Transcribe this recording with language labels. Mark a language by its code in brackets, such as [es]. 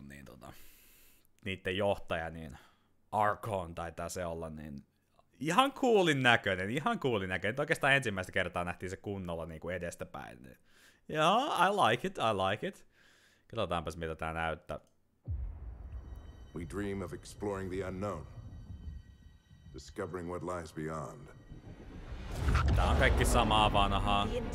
[fi] Niin tota, niiden johtaja, niin Archon taitaa se olla, niin ihan coolin näköinen, ihan coolin näköinen. Oikeastaan ensimmäistä kertaa nähtiin se kunnolla niin kuin edestäpäin. [en] Yeah, I like it, I like it. [fi] Katsotaanpas, mitä tää näyttää. [en] We dream of exploring the unknown. Discovering what lies beyond. [fi] Tää on kaikki samaa vanhaa.